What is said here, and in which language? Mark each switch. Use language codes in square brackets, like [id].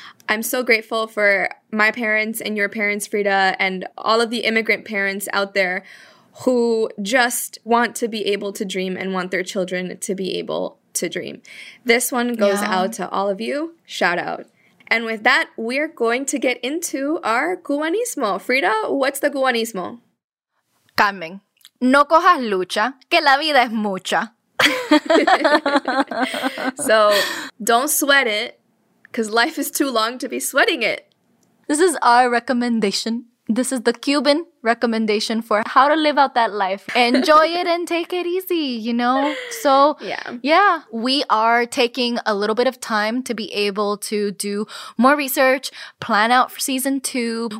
[en] I'm so grateful for my parents and your parents, Frida, and all of the immigrant parents out there who just want to be able to dream and want their children to be able to dream. This one goes out to all of you. Shout out. And with that, we're going to get into our cubanismo. Frida, what's the cubanismo? [es] Carmen, no cojas lucha, que la vida es mucha. [en] So don't sweat it, because life is too long to be sweating it. This is our recommendation. This is the Cuban recommendation for how to live out that life. Enjoy it and take it easy, you know? So, yeah, we are taking a little bit of time to be able to do more research, plan out for season two. Mm-hmm.